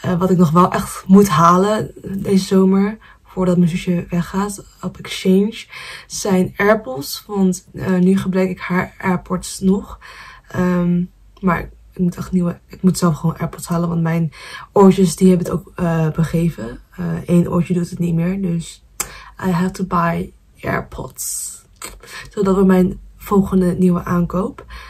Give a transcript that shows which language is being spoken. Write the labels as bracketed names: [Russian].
[Dutch] Wat ik nog wel echt moet halen deze zomer. Voordat mijn zusje weggaat op exchange. Zijn AirPods. Want nu gebruik ik haar AirPods nog. Maar ik moet echt nieuwe. Ik moet zelf gewoon AirPods halen. Want mijn oortjes die hebben het ook begeven. Eén oortje doet het niet meer. Dus [English] I have to buy AirPods. [Dutch] Zodat we mijn volgende nieuwe aankoop.